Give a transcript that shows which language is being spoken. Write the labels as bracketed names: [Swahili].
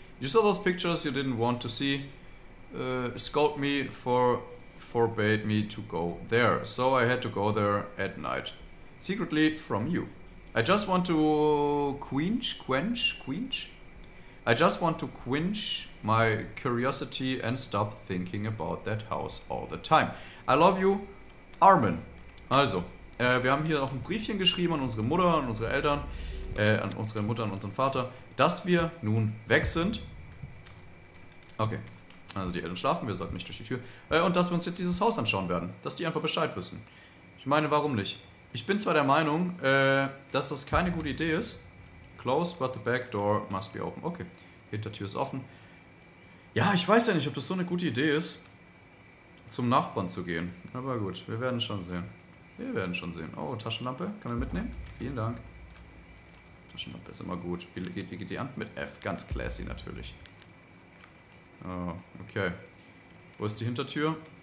[English] You saw those pictures you didn't want to see. Scold me for forbade me to go there. So I had to go there at night. Secretly from you. I just want to quench? I just want to quench my curiosity and stop thinking about that house all the time. I love you, Armin. [German] Also, wir haben hier auch ein Briefchen geschrieben an unsere Mutter, an unsere Eltern, an unsere Mutter, an unseren Vater, dass wir nun weg sind. Okay, also die Eltern schlafen, wir sollten nicht durch die Tür. Und dass wir uns jetzt dieses Haus anschauen werden, dass die einfach Bescheid wissen. Ich meine, warum nicht? Ich bin zwar der Meinung, dass das keine gute Idee ist. [English] Closed, but the back door must be open. [German] Okay, Hintertür ist offen. Ja, ich weiß ja nicht, ob das so eine gute Idee ist, zum Nachbarn zu gehen. Aber gut, wir werden schon sehen. Wir werden schon sehen. Oh, Taschenlampe. Kann man mitnehmen? Vielen Dank. Taschenlampe ist immer gut. Wie geht die an? Mit F. Ganz classy natürlich. Oh, okay. Wo ist die Hintertür?